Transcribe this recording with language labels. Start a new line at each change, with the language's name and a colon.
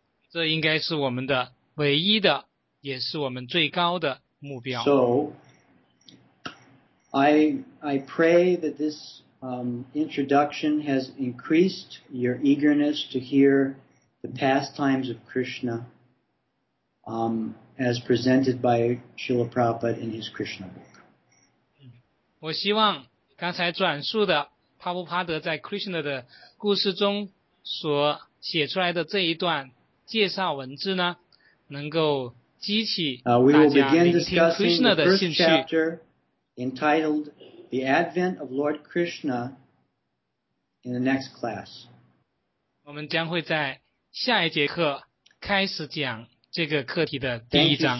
Chinese: 这应该是我们的唯一的，也是我们最高的目标。
English: So, I pray that this. Introduction has increased your eagerness to hear the pastimes of Krishna as presented by Srila Prabhupada in his Krishna book.
Chinese: 我希望刚才转述的帕布帕德在 Krishna 的故事中所写出来的这一段介绍文字呢，能够激起大家聆听 Krishna 的兴趣。
English: We will begin discussing the first chapter entitled. The advent of Lord Krishna in the next class.
Chinese: 我们将会在下一节课开始讲这个课题的第一章。